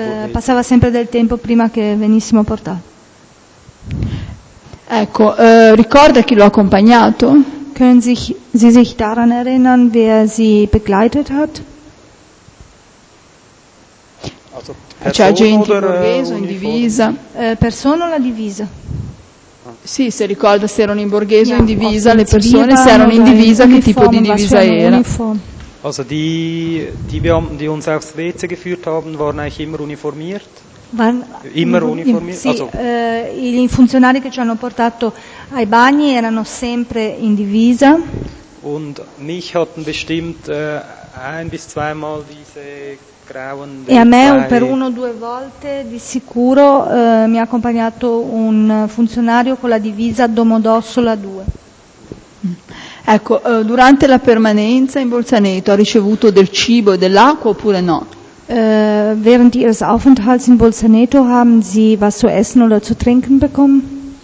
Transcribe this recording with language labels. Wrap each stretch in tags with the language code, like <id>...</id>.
<it>Passava sempre del tempo prima che venissimo portato. Ecco, ricorda chi l'ha accompagnato?</it> <de>Können Sie sich daran erinnern, wer Sie begleitet hat?</de> <it>Also, c'è agenti in borghese, in divisa. Persona o la divisa? Ah. Sì, se ricorda se erano in borghese o in divisa, le persone, se erano in divisa, che tipo di divisa era?</it> <de>Also die Beamten, die uns aufs WC geführt haben, waren eigentlich immer uniformiert.</de> <it>I funzionari che ci hanno portato ai bagni erano sempre in divisa.</it> <de>Und mich hatten bestimmt ein bis zweimal diese grauen.</de> <it>E a me per 1 o 2 volte di sicuro mi ha accompagnato un funzionario con la divisa Domodossola 2. Ecco, durante la permanenza in Bolzaneto ha ricevuto del cibo e dell'acqua oppure no?</it> <de>Während Ihres Aufenthalts in Bolzaneto haben Sie was zu essen oder zu trinken bekommen?</de>